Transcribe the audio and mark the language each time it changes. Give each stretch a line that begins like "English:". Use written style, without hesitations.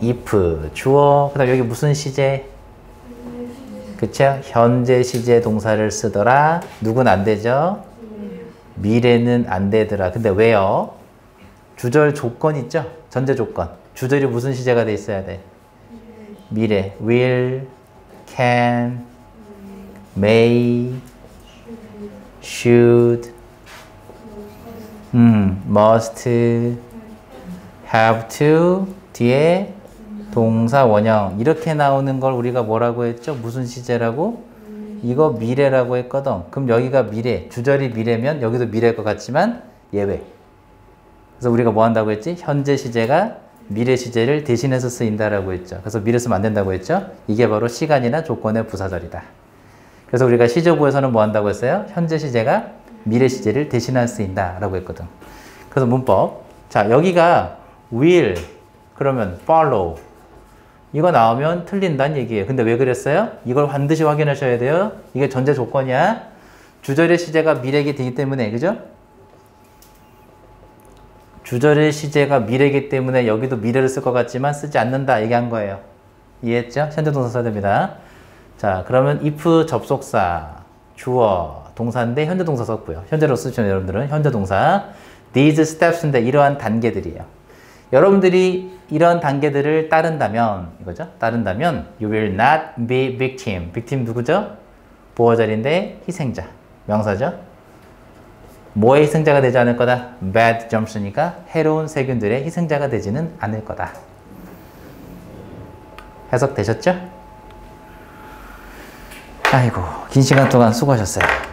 Korean: if, 주어, 그 다음 여기 무슨 시제? 그쵸? 현재 시제 동사를 쓰더라. 누군 안 되죠? 미래는 안 되더라. 근데 왜요? 주절 조건 있죠? 전제 조건. 주절이 무슨 시제가 돼 있어야 돼? 미래.
English: will, can, may, should, must, have to, 뒤에 동사 원형.
Korean: 이렇게 나오는 걸 우리가 뭐라고 했죠? 무슨 시제라고? 이거 미래라고 했거든. 그럼 여기가 미래. 주절이 미래면 여기도 미래일 것 같지만 예외. 그래서 우리가 뭐 한다고 했지? 현재 시제가 미래 시제를 대신해서 쓰인다라고 했죠. 그래서 미래 쓰면 안 된다고 했죠? 이게 바로 시간이나 조건의 부사절이다. 그래서 우리가 시제부에서는 뭐 한다고 했어요? 현재 시제가 미래 시제를 대신해서 쓰인다라고 했거든. 그래서 문법. 자, 여기가 will, 그러면 follow. 이거 나오면 틀린다는 얘기예요. 근데 왜 그랬어요? 이걸 반드시 확인하셔야 돼요. 이게 전제 조건이야. 주절의 시제가 미래이기 때문에, 그죠? 주절의 시제가 미래이기 때문에 여기도 미래를 쓸 것 같지만 쓰지 않는다 얘기한 거예요. 이해했죠? 현재동사 써야 됩니다. 자, 그러면 if 접속사, 주어, 동사인데 현재동사 썼고요. 현재로 쓰시면 여러분들은 현재동사.
English: These steps
Korean: 인데 이러한 단계들이에요. 여러분들이 이런 단계들을 따른다면, 이거죠?
English: 따른다면, you will not be victim.
Korean: victim 누구죠? 보호자인데 희생자. 명사죠? 뭐의 희생자가 되지 않을 거다?
English: bad germs
Korean: 니까 해로운 세균들의 희생자가 되지는 않을 거다. 해석 되셨죠? 아이고, 긴 시간 동안 수고하셨어요.